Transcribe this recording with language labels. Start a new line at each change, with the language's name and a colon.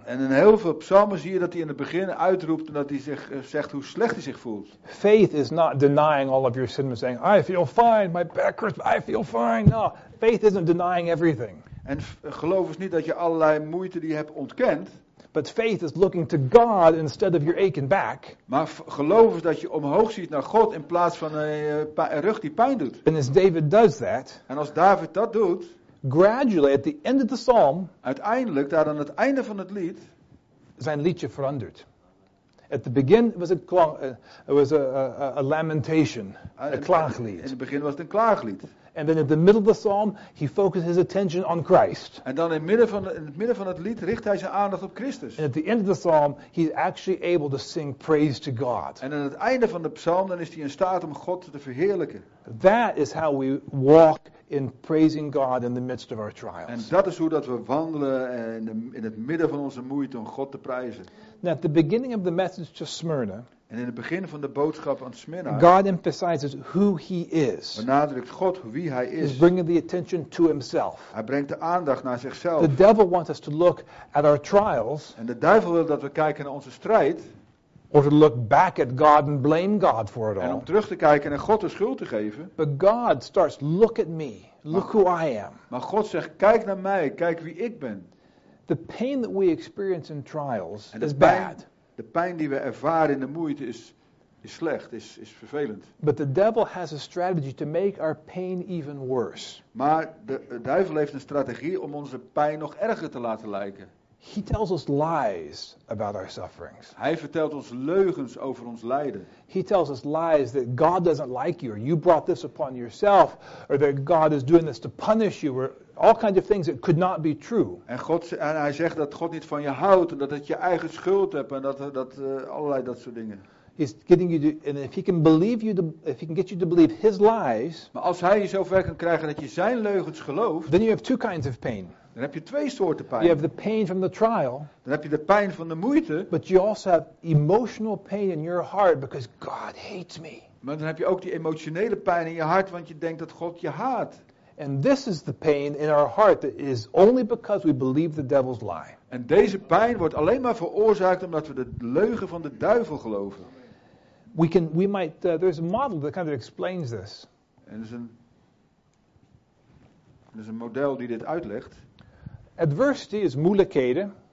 Dutch: En in heel veel Psalmen zie je dat hij in het begin uitroept en dat hij zich zegt hoe slecht hij zich voelt.
English: Faith is not denying all of your sin and saying, I feel fine, my back hurts, I feel fine. No, faith isn't denying everything.
Dutch: En geloof is niet dat je allerlei moeite die je hebt ontkent.
English: But faith is looking to God instead of your aching back.
Dutch: Maar geloof is dat je omhoog ziet naar God in plaats van een rug die pijn doet.
English: And as David does that,
Dutch: en als David dat doet,
English: gradually at the end of the psalm,
Dutch: uiteindelijk daar aan het einde van het lied, zijn liedje verandert.
English: At the begin was a lamentation, a klaaglied.
Dutch: In het begin was het een klaaglied.
English: And then at the middle of the psalm, he focuses his attention on Christ.
Dutch: En dan in het midden van het lied richt hij zijn aandacht op Christus.
English: And at the end of the psalm, he's actually able to sing praise to God.
Dutch: En aan het einde van de psalm, dan is hij in staat om God te verheerlijken.
English: That is how we walk in praising God in the midst of our trials.
Dutch: En dat is hoe dat we wandelen in het midden van onze moeite om God te prijzen.
English: Now, at the beginning of the message to Smyrna.
Dutch: En in het begin van de boodschap aan Smyrna.
English: God emphasizes who He is.
Dutch: Benadrukt God wie Hij is.
English: Is bringing the attention to Himself.
Dutch: Hij brengt de aandacht naar zichzelf.
English: The devil wants us to look at our trials.
Dutch: En de duivel wil dat we kijken naar onze strijd.
English: Or to look back at God and blame God for it all.
Dutch: En om terug te kijken en God de schuld te geven.
English: But God starts, look at me, look who I am.
Dutch: Maar God zegt, kijk naar mij, kijk wie ik ben.
English: The pain that we experience in trials is bad.
Dutch: De pijn die we ervaren in de moeite is slecht, is vervelend.
English: But the devil has a strategy to make our pain even worse.
Dutch: Maar de duivel heeft een strategie om onze pijn nog erger te laten lijken.
English: He tells us lies about our sufferings.
Dutch: Hij vertelt ons leugens over ons lijden.
English: He tells us lies that God doesn't like you, or you brought this upon yourself, or that God is doing this to punish you, or all kinds of things that could not be true.
Dutch: En hij zegt dat God niet van je houdt, en dat het je eigen schuld hebt, en dat allerlei dat soort dingen.
English: He's getting you to, and if he can believe you, if he can get you to believe his lies.
Dutch: Maar als hij je zover kan krijgen dat je zijn leugens gelooft,
English: then you have two kinds of pain.
Dutch: Dan heb je twee soorten pijn.
English: You have the pain from the trial.
Dutch: Dan heb je de pijn van de moeite.
English: But you also have emotional pain in your heart because God hates me.
Dutch: Maar dan heb je ook die emotionele pijn in je hart, want je denkt dat God je haat.
English: And this is the pain in our heart that is only because we believe the devil's lie.
Dutch: En deze pijn wordt alleen maar veroorzaakt omdat we de leugen van de duivel geloven.
English: There's a model that kind of explains this.
Dutch: En er is een model die dit uitlegt.
English: Adversity is
Dutch: moeilijkheden.